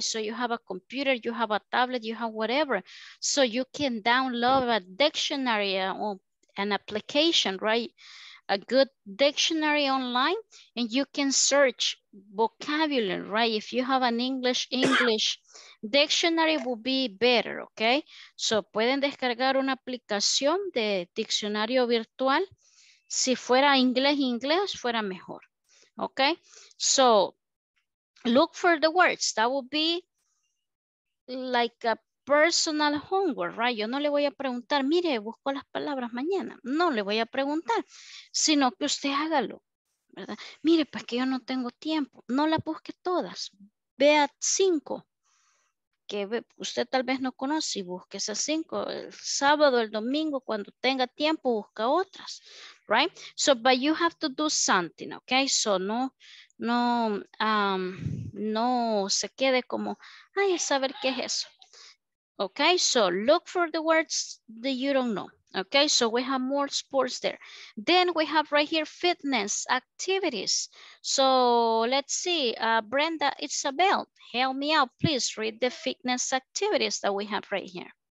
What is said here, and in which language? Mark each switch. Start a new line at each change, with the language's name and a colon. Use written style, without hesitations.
English: So you have a computer, you have a tablet, you have whatever. So you can download a dictionary or an application, right? A good dictionary online, and you can search vocabulary, right? If you have an English dictionary, will be better, okay?
Spanish: So pueden descargar una aplicación de diccionario virtual. Si fuera inglés, fuera mejor, okay?
English: So look for the words. That would be like a personal homework, right?
Spanish: Yo no le voy a preguntar, mire, busco las palabras mañana. No le voy a preguntar, sino que usted hágalo, ¿verdad? Mire, pues que yo no tengo tiempo. No las busque todas. Vea cinco que usted tal vez no conoce y busque esas cinco. El sábado, el domingo, cuando tenga tiempo, busca otras, right?
English: So, but you have to do something, okay?
Spanish: So, no se quede como, ay, a saber qué es eso.
English: Okay, so look for the words that you don't know. Okay, so we have more sports there. Then we have right here fitness activities. So let's see, Brenda, Isabel, help me out. Please read the fitness activities that we have right here.